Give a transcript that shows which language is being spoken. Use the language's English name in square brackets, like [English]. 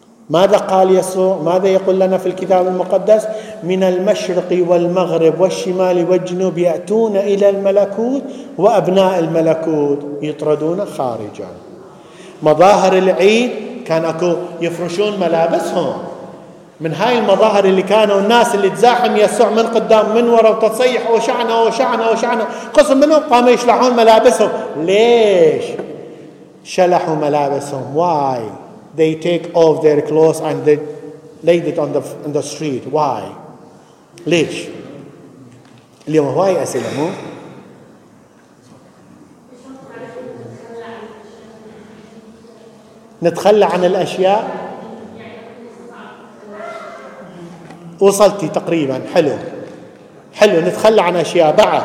[Arabic] ماذا قال يسوع؟ ماذا يقول لنا في الكتاب المقدس؟ من المشرق والمغرب والشمال والجنوب يأتون إلى الملكوت، وأبناء الملكوت يطردون خارجا. مظاهر العيد كان أكو يفرشون ملابسهم، من هاي المظاهر اللي كانوا الناس اللي تزاحم يسوع من قدام من وراء وتصيح وشعنا وشعنا وشعنا، قسم منهم قاموا يشلحون ملابسهم. ليش شلحوا ملابسهم؟ [English] Why they take off their clothes and they laid it on the street? Why؟ [Arabic] ليش اليوم هواي أسئلة مو؟ نتخلى عن الأشياء. وصلتي تقريبا، حلو حلو، نتخلى عن أشياء.